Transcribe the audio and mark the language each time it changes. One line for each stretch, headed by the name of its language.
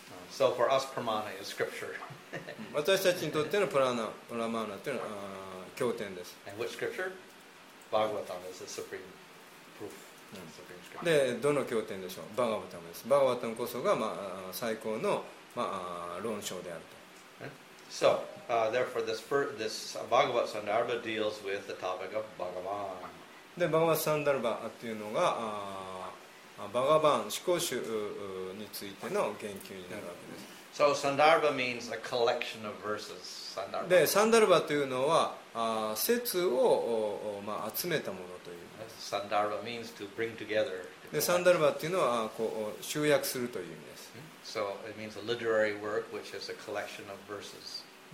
English: So for us, pramana is scripture.
Japanese: 私たちにとってのプラマーナというのは経典です。
English: And which scripture? Bhagavatam is the supreme proof.
Japanese: でどの経典でしょう。バガバタムです。バガバタムこそが、まあ、最高の、まあ、論証であると。
English: So, therefore this Bhagavata Sandarbha deals with the topic of Bhagavan.
Japanese: で、バガバタ・サンダルバというのがバガバン、思考集についての言及になるわけです。
English: So, Sandarbha means a collection of verses. Sandarbha.
Japanese: で、サンダルバというのは説を、まあ、集めたものという。
English: Sandarbha means to bring together.
Japanese: で、サンダルバっていうのはこう集約するという意味です。
English: So it means a literary work which is a collection of verses.